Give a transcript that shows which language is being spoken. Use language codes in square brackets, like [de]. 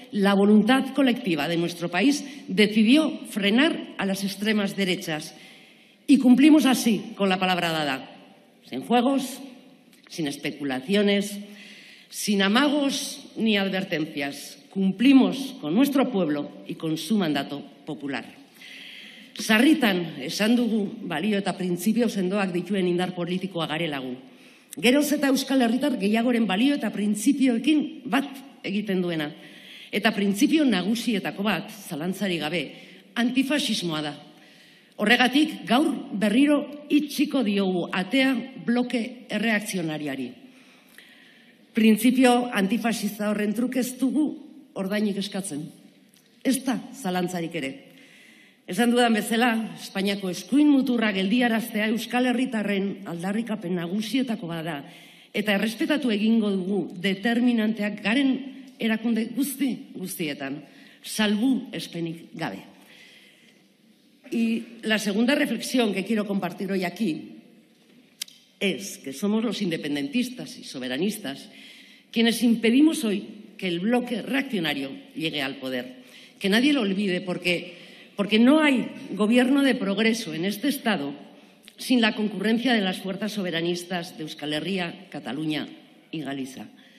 [es] La voluntad colectiva de nuestro país decidió frenar a las extremas derechas y cumplimos así con la palabra dada, sin juegos, sin especulaciones, sin amagos ni advertencias. Cumplimos con nuestro pueblo y con su mandato popular. [eu] Sarritan esan dugu balio eta printzipio sendoak dituen indar politikoa garela gu. Geroz eta Euskal Herritar gehiagoren balio eta printzipioekin bat egiten duena. Eta printzipio nagusietako bat, zalantzari gabe, antifaxismoa da. Horregatik, gaur berriro itxiko diogu atea bloke erreakzionariari. Printzipio antifaxista horren truke ez dugu ordainik eskatzen. Ez da zalantzarik ere. Esan dudan bezala, Espainiako eskuin muturra geldiaraztea Euskal Herritarren aldarrikapen nagusietako bada eta errespetatu egingo dugu determinanteak garen erakunde guztietan, salbu espenik gabe. [es] Y la segunda reflexión que quiero compartir hoy aquí es que somos los independentistas y soberanistas quienes impedimos hoy que el bloque reaccionario llegue al poder. Que nadie lo olvide, porque no hay gobierno de progreso en este Estado sin la concurrencia de las fuerzas soberanistas de Euskal Herria, Cataluña y Galicia.